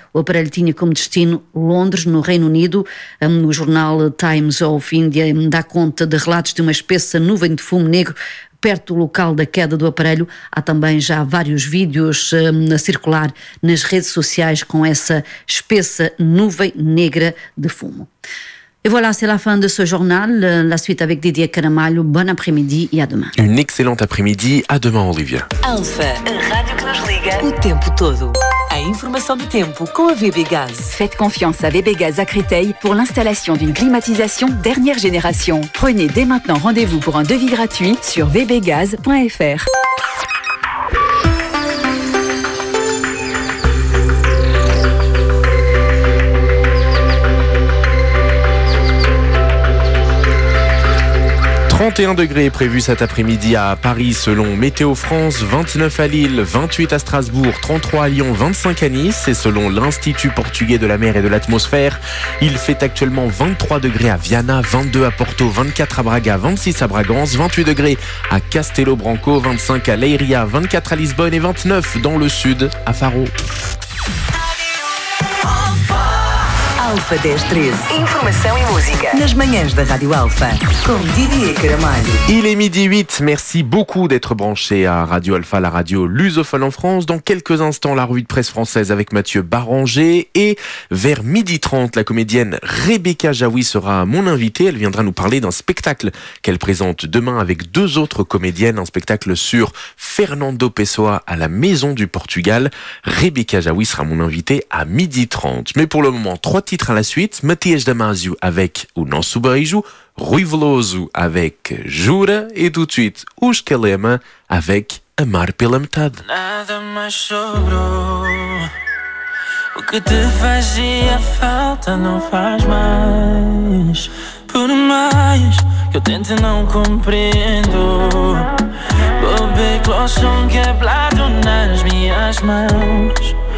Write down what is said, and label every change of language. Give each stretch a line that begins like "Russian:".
Portuguese: O aparelho tinha como destino Londres, no Reino Unido. O jornal Times of India dá conta de relatos de uma espessa nuvem de fumo negro perto do local da queda do aparelho. Há também já vários vídeos a circular nas redes sociais com essa espessa nuvem negra de fumo.
French: Et voilà, c'est la fin de ce journal. La suite avec Didier Caramaglio. Bon après-midi et à demain. Une excellente après-midi. À demain, Olivia.
Portuguese: Alpha, radio que nous liga o tempo todo. A informação do tempo com a VB Gaz.
French: Faites confiance à VB Gaz à Créteil pour l'installation d'une climatisation dernière génération. Prenez dès maintenant rendez-vous pour un devis gratuit sur vbgaz.fr. degrés prévus cet après-midi à Paris selon Météo France, 29 à Lille, 28 à Strasbourg, 33 à Lyon, 25 à Nice et selon l'Institut portugais de la mer et de l'atmosphère, il fait actuellement 23 degrés à Viana, 22 à Porto, 24 à Braga, 26 à Bragance, 28 degrés à Castelo Branco, 25 à Leiria, 24 à Lisbonne et 29 dans le sud à Faro.
Portuguese: Alfa 1013. Informação e música. Nas manhãs da Rádio Alfa, com Didier Caramaglio.
French: Il est midi 8. Merci beaucoup d'être branché à Radio Alpha, la radio lusophone en France. Dans quelques instants, la revue de presse française avec Mathieu Baranger. Et vers midi 30, la comédienne Rebecca Jaoui sera mon invitée. Elle viendra nous parler d'un spectacle qu'elle présente demain avec deux autres comédiennes. Un spectacle sur Fernando Pessoa à la Maison du Portugal. Rebecca Jaoui sera mon invitée à midi 30. Mais pour le moment, trois titres à la suite. Matias Damasio avec O Nosso Beijo. Rui Veloso avec Jura et tout de suite Os Kalema avec Amar pela Metade.
Portuguese: Nada mais sobrou. O que te fazia falta não faz mais. Por mais que eu tente não compreendo, vou ver colchão quebrado nas minhas mãos.